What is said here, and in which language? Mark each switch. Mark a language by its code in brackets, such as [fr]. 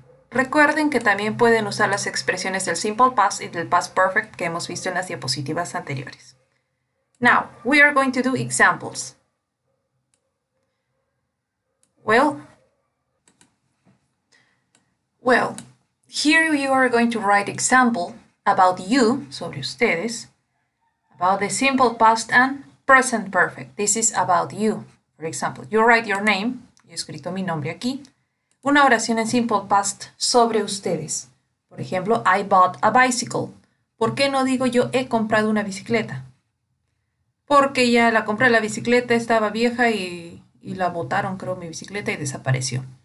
[es] Recuerden que también pueden usar las expresiones del simple past y del past perfect que hemos visto en las diapositivas anteriores. [en] Now, we are going to do examples. Well, here you are going to write example about you, [es] sobre ustedes, [en] about the simple past and present perfect. This is about you. For example, you write your name, [es] yo he escrito mi nombre aquí, una oración en simple past sobre ustedes. Por ejemplo, [en] I bought a bicycle. [es] ¿Por qué no digo yo he comprado una bicicleta? Porque ya la compré, la bicicleta estaba vieja y la botaron, creo, mi bicicleta y desapareció.